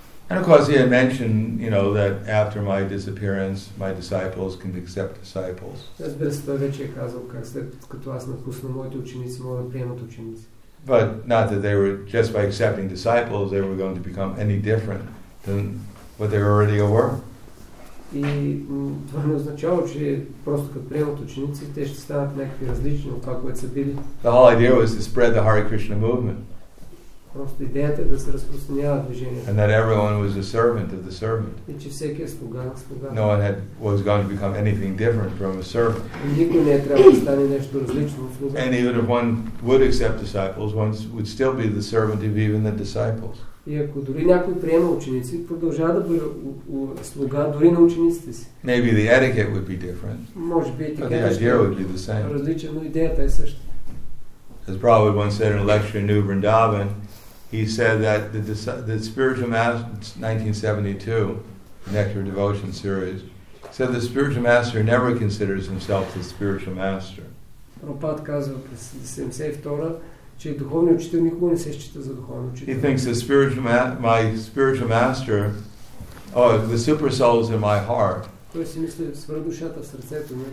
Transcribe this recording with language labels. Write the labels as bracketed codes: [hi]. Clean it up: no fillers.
[en] And of course he had mentioned, you know, that after my disappearance, my disciples can accept disciples. [bg] Разбира се, той вече е казал как след като аз напусна, моите ученици могат да приемат ученици. [en] But not that they were, just by accepting disciples, they were going to become any different than what they already were. [bg] И това не означава, че просто като приемат ученици, те ще станат някакви различни от това, което са били. [en] The whole idea was to spread the Hare Krishna movement. [bg] Просто идеята е да се разпространява движението. [en] And that everyone was a servant of the servant. [bg] И че всеки е слуга на слуга. [en] No one had, was going to become anything different from a servant. [bg] И никой не е трябва да стане нещо различно от слуга. [en] And even if one would accept disciples, one would still be the servant of even the disciples. [bg] И ако дори някой приема ученици, продължава да бъде слуга дори на учениците си. [en] Maybe the etiquette would be different. [bg] Може би етикетът различен, но идеята е същата. [en] As Prabhupada once said in a lecture in New Vrindavan, he said that the spiritual master, 1972, Nectar Devotion Series, said the spiritual master never considers himself the spiritual master. [bg] Prabhupada казва през 72-а, че духовният учител никога не се счита за духовен учител. [en] He thinks the spiritual my spiritual master, oh, the super soul is in my heart. [bg] Той си мисли свръхдушата в сърцето ми.